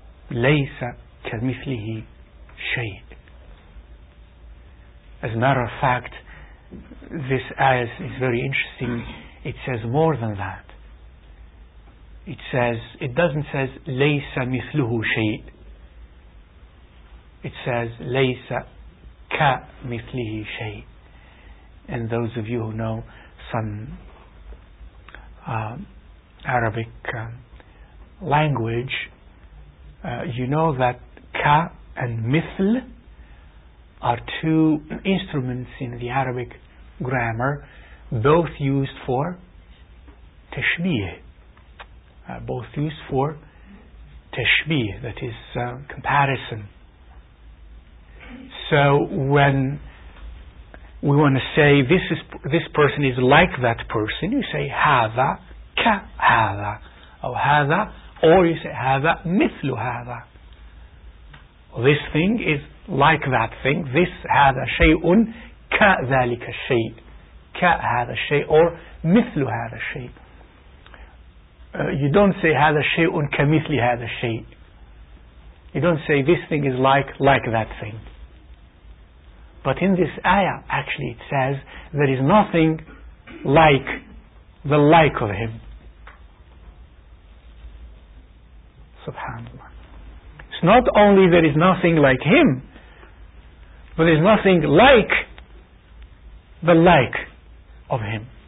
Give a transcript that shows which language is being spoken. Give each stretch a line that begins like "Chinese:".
Arabic: لَيْسَ كَمِثْلِهِ شَيْءٍ.
English: As a matter of fact, this ayah is very interesting. It says more than that. It says, it doesn't say
Arabic: لَيْسَ مِثْلُهُ شَيْءٍ.
English: It says
Arabic: لَيْسَ كَمِثْلِهِ شَيْءٍ.
English: And those of you who know some Arabic language, you know that ka and mithl are two instruments in the Arabic grammar, both used for tashbih. Both used for tashbih, that is comparison. So when we want to say this person is like that person, you say hadha ka hadha, or hadha, or you say hadha mithlu hadha. This thing is like that thing. This hadha shay'un ka dhalika shay', ka hadha shay', or mithlu hadha shay'. You don't say
Arabic: هذا شيء كمثل هذا شيء.
English: You don't say this thing is like that thing. But in this ayah, actually, it says there is nothing like the like of Him. Subhanallah. It's not only there is nothing like Him, but there is nothing like the like of Him.